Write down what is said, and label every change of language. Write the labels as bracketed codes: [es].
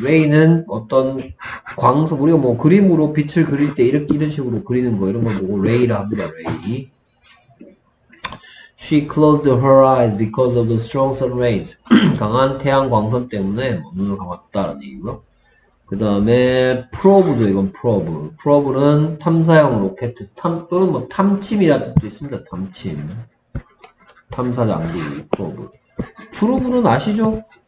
[ko] ray는 어떤 광속, 우리가 뭐 그림으로 빛을 그릴 때 이렇게 이런 식으로 그리는 거 이런 걸 보고 ray라 합니다. [en] ray. She closed her eyes because of the strong sun rays. [ko] 강한 태양 광선 때문에 눈을 감았다라는 얘기고요. 그다음에 probe죠. 이건 probe. probe는 탐사형 로켓, 또는 뭐 탐침이라는 뜻도 있습니다. 탐침. 탐사 장비, 프로브. 프로브는 아시죠?